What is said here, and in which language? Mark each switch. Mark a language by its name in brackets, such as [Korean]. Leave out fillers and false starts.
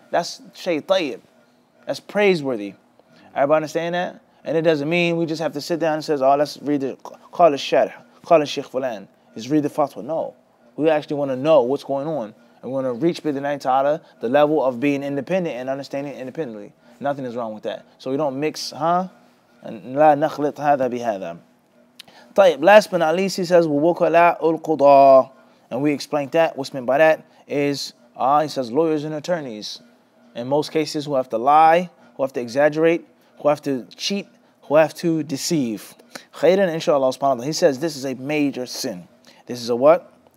[English] That's Shaytayib. That's praiseworthy. Everybody understand that? And it doesn't mean we just have to sit down and say, oh, let's read the Qala al-Sharh, Qala al-Sheikh Fulan. Just read the Fatwa. No. We actually want to know what's going on. And we want to reach by the Nain Ta'ala the level of being independent and understanding independently. Nothing is wrong with that. So we don't mix, huh? And [Arabic] لا نخلط هذا بهذا. [English] طيب, last but not least, he says, [Arabic] ووكلاء القضاء. [English] And we explained that. What's meant by that is, he says, lawyers and attorneys. In most cases, who have to lie, who have to exaggerate, who have to cheat, who have to deceive. [Arabic] خيرًا إن شاء الله سبحانه وتعالى. [English] He says this is a major sin. This is a what?